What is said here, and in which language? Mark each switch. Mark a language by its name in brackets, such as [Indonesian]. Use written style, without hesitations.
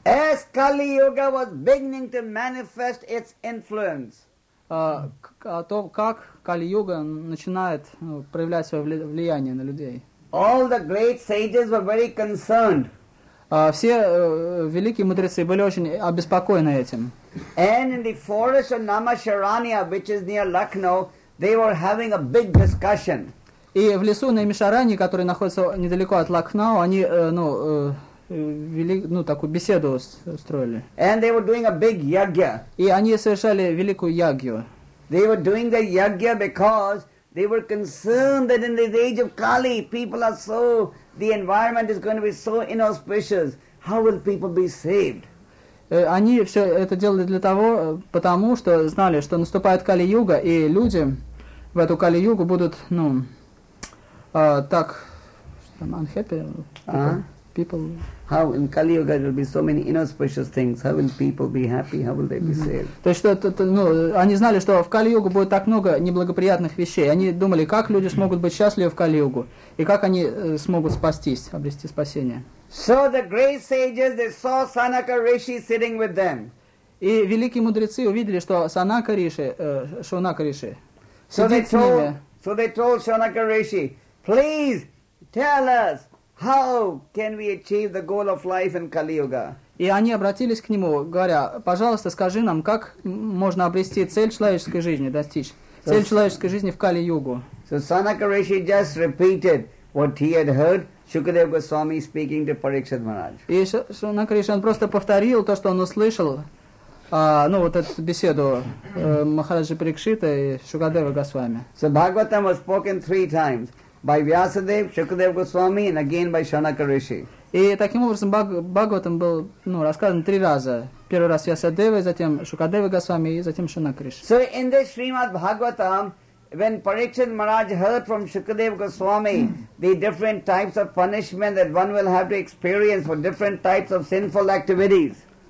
[English] As Kali Yuga was beginning to manifest its influence. [Russian] О том, как Кали-юга начинает проявлять свое влияние на людей. [English] All the great sages were very concerned. [Russian] Все великие мудрецы были очень обеспокоены этим. [English] And in the forest of Namasharanya, which is near Lucknow, they were having a big discussion. [Russian] И в лесу Намишаранья, который находится недалеко от Лакхнау, они вели, ну, такую беседу строили. [English] And they were doing a big yagya. [Russian] И они совершали великую ягью. [English] They were doing the yagya because they were concerned that in this age of Kali, people are so, the environment is going to be so inauspicious. How will people be saved? [Russian] Они все это делали для того, потому что знали, что наступает Кали-юга, и люди в эту Кали-югу будут, ну, Так, что там, [English] unhappy people? People. How in Kali Yuga there will be so many inauspicious things. How will people be happy? How will they be saved? [Russian] То есть, ну, они знали, что в Кали-Югу будет так много неблагоприятных вещей. Они думали, как люди смогут быть счастливы в Кали-Югу, и как они смогут спастись, обрести спасение. [English] So the great sages, they saw Sanaka Rishi sitting with them. [Russian] И великие мудрецы увидели, что Санака Риши, Шонака Риши, сидит с ними. [English] So they told Shonaka Rishi, please tell us, how can we achieve the goal of life in Kali Yuga? [Russian] И они обратились к нему, говоря, пожалуйста, скажи нам, как можно обрести цель человеческой жизни, достичь цель человеческой жизни в Кали-Югу. [English] So Sanaka Rishi just repeated what he had heard Shukadeva Goswami speaking to Parikshit Maharaj. [Russian] И Sanaka Rishi, он просто повторил то, что он услышал, ну, вот эту беседу Махараджи Парикшита и Шукадева Госвами. [English] So Bhagavatam was spoken three times. By Vyasadev, Shukadev Goswami, and again by Shanaka Rishi. [Russian] И таким образом Бхагаватам был, ну, рассказан три раза. Первый раз Вьясадева, затем Шукадева Госвами, и затем Шанака Риши. [English] So in this Srimad Bhagavatam, when Parikshit Maharaj heard from Shukadev Goswami the different types of punishment that one will have to experience for different types of sinful activities.